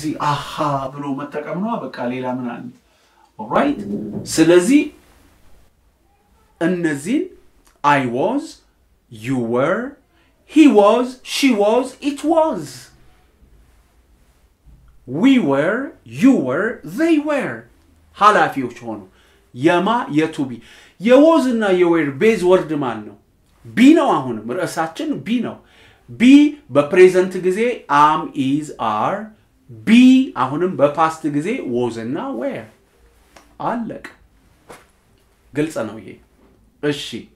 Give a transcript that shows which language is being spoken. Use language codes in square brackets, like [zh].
[am] አሃ ብሎ መጠቀም ነው በቃ ሌላ ምን አለ [en] All right ስለዚህ እነዚህ I was you were He was, she was, it was. We were, you were, they were. [am] ሐላፊ ሆኖ የማ የቱ ቢ የወዝና የዌር ቤዝ ወርድ ማን ነው? ቢ ነው አሁንም ራሳችን ቢ ነው. ቢ በፕሬዘንት ጊዜ [en] am is are [am] ቢ አሁንም በፓስት ጊዜ ወዝና ዌር አለቀ. ግልጽ ነው ይሄ? እሺ.